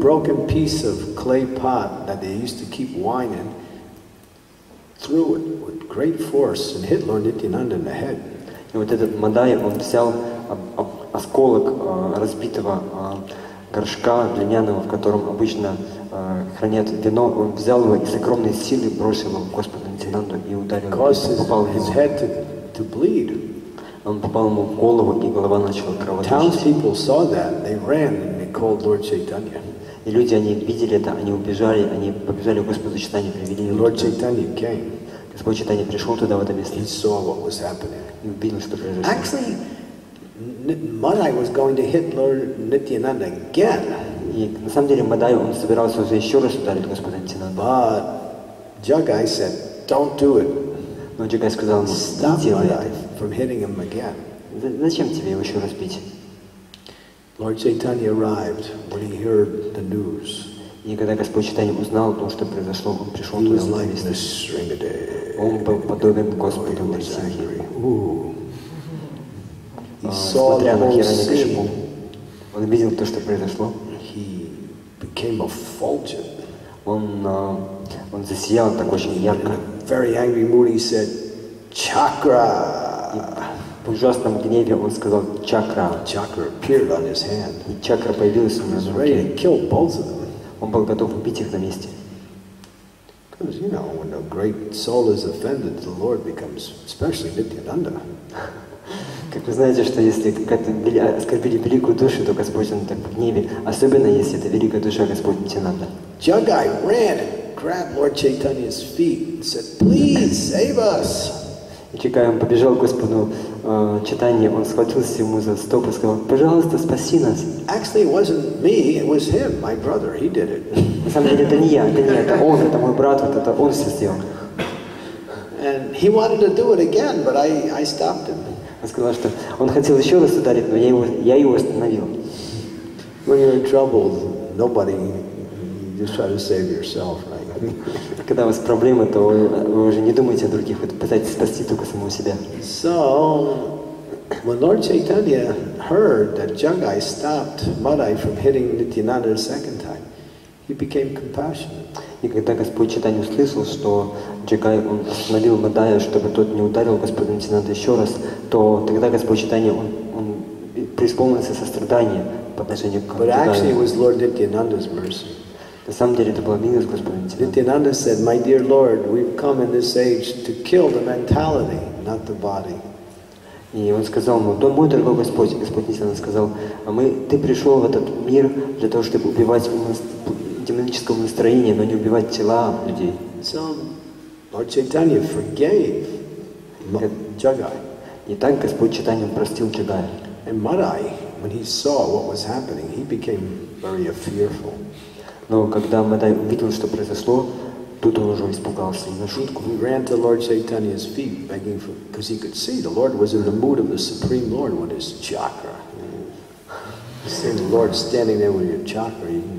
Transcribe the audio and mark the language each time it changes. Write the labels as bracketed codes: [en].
[en] Broken piece of clay pot that they used to keep wine in, threw it with great force and hit Lord Nityananda in the head. [ru] И вот этот Мадай, он взял осколок разбитого горшка глиняного, в котором обычно хранят вино, он взял его и с огромной силой бросил его Господу Нитянанду и ударил его, попал в [en] his head to bleed. [ru] Он попал ему в голову, и голова начала кровоточить. [en] Townspeople saw that, they ran and they called Lord Chaitanya. [ru] И люди, они видели это, они побежали к Господу Чайтанье, привели его. [en] Lord Chaitanya came. [ru] Господь Чайтанья пришел туда, в это место. [en] He saw what was happening. [ru] И увидел, что произошло. [en] Actually, Madai was going to hit Lord Nityananda again. [ru] И на самом деле Мадай, он собирался уже еще раз ударить Господа Нитьянанду. [en] But Jagai said, "Don't do it." [ru] Но Джагай сказал ему, [en] "Stop [ru] не делай [en] Madai [ru] это. [en] From hitting him again." [ru] Зачем тебе его еще раз бить? [en] Lord Chaitanya arrived when he heard the news. [ru] И когда Господь Чайтанья узнал то, что произошло, он пришел туда. Он был подобен Господу Нитьянанде. Смотря на Хирани Кришну, он видел то, что произошло. [en] He became effulgent. [ru] Он засиял так очень ярко. [en] Very angry mood, he said, "Chakra." [ru] В ужасном гневе он сказал "Чакра." [en] Chakra appeared on his hand. [ru] И чакра появилась у него в руке. [en] Ready to kill both of them. [ru] Он был готов убить их на месте. [en] Because you know, when a great soul is offended, the Lord becomes, especially Nityananda. [ru] Как вы знаете, что если оскорбили великую душу, то Господь он так в гневе, особенно если это великая душа Господь Нитьянанда. [en] Jagai ran and grabbed Lord Chaitanya's feet and said, "Please save us." [ru] Jagai он побежал к Господу Чайтанье, он схватился ему за стоп и сказал, "Пожалуйста, спаси нас." [en] Actually, it wasn't me, it was him, my brother. He did it. [ru] На самом деле это не я, это не это он, это мой брат, вот это он все сделал. [en] And he wanted to do it again, but I stopped him. [ru] Он сказал, что он хотел еще раз ударить, но я его остановил. [en] When you're in trouble, nobody, you just try to save yourself, right? [ru] Когда у вас проблемы, то вы уже не думаете о других, вы пытаетесь спасти только самого себя. [en] So, when Lord Chaitanya heard that Jagai stopped Madai from hitting Nityananda a second time, he became compassionate. [ru] И когда Господь Чайтанья услышал, что Джагай, он остановил Мадая, чтобы тот не ударил Господа Нитьянанду еще раз, то тогда Господь Чайтанья, он преисполнился сострадания по отношению к Джагаю. [en] But actually it was Lord Nityananda's mercy. [ru] На самом деле это была милость Господа Нитьянанды. [en] Nityananda said, "My dear Lord, we've come in this age to kill the mentality, not the body." [ru] И он сказал ему, мой дорогой Господь, Господь Нитьянанда сказал, ты пришел в этот мир для того, чтобы убивать демонического настроения, но не убивать тела людей. [en] Lord Chaitanya forgave Jagai. [ru] И так Господь Чайтанья простил Джагая. [en] And Madai, when he saw what was happening, he became very fearful. [ru] Но когда Мадай увидел, что произошло, тут он уже испугался, не на шутку. [en] He ran to Lord Chaitanya's feet, begging for, because he could see the Lord was in the mood of the Supreme Lord with his chakra. You see the Lord standing there with your chakra.